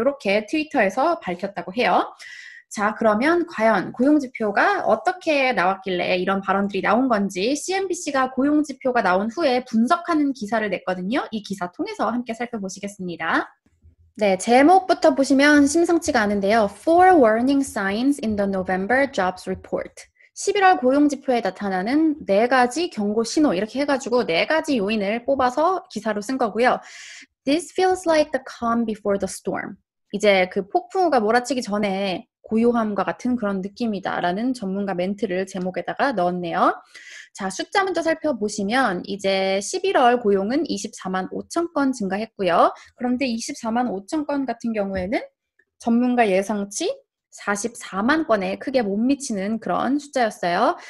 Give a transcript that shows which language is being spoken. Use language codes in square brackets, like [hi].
[ko] 이렇게 트위터에서 밝혔다고 해요. 자, 그러면 과연 고용지표가 어떻게 나왔길래 이런 발언들이 나온 건지 CNBC가 고용지표가 나온 후에 분석하는 기사를 냈거든요. 이 기사 통해서 함께 살펴보시겠습니다. 네, 제목부터 보시면 심상치가 않은데요. [en] Four Warning Signs in the November Jobs Report. [ko] 11월 고용지표에 나타나는 네 가지 경고 신호, 이렇게 해가지고 네 가지 요인을 뽑아서 기사로 쓴 거고요. [en] This feels like the calm before the storm. [ko] 이제 그 폭풍우가 몰아치기 전에 고요함과 같은 그런 느낌이다라는 전문가 멘트를 제목에다가 넣었네요. 자, 숫자 먼저 살펴보시면 이제 11월 고용은 24만 5천 건 증가했고요. 그런데 24만 5천 건 같은 경우에는 전문가 예상치 44만 건에 크게 못 미치는 그런 숫자였어요.